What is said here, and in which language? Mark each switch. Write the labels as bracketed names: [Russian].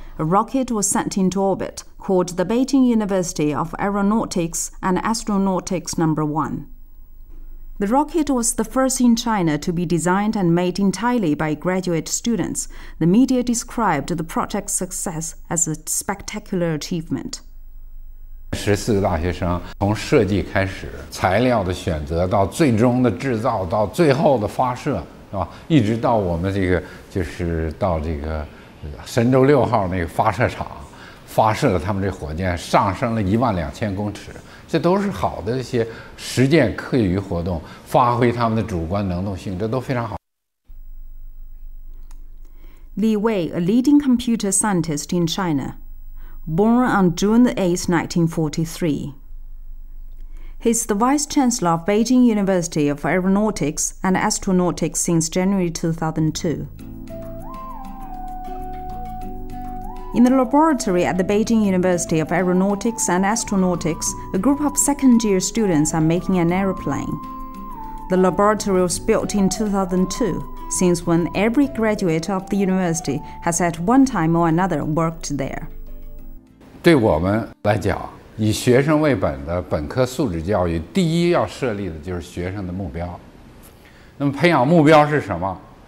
[English] A rocket was sent into orbit, called the Beijing University of Aeronautics and Astronautics No. 1. The rocket was the first in China to be designed and made entirely by graduate students. The media described the project's success as a spectacular achievement. [Chinese] 14个大学生 从设计开始, 材料的选择, 到最终的制造, 到最后的发射, 是吧? 一直到我们这个, 就是到这个, 神舟6号那个发射场, 发射了他们这火箭, 上升了12000公尺, 这都是好的一些实践课余活动, 发挥他们的主观能动性, 这都非常好。 [English] Li Wei, a leading computer scientist in China, born on June 8, 1943. He's the vice chancellor of Beijing University of Aeronautics and Astronautics since January 2002. In the laboratory at the Beijing University of Aeronautics and Astronautics, a group of second-year students are making an airplane. The laboratory was built in 2002, since when every graduate of the university has at one time or another worked there. [Chinese] 对我们来讲, 以学生为本的本科素质教育, 第一要设立的就是学生的目标。那么培养目标是什么?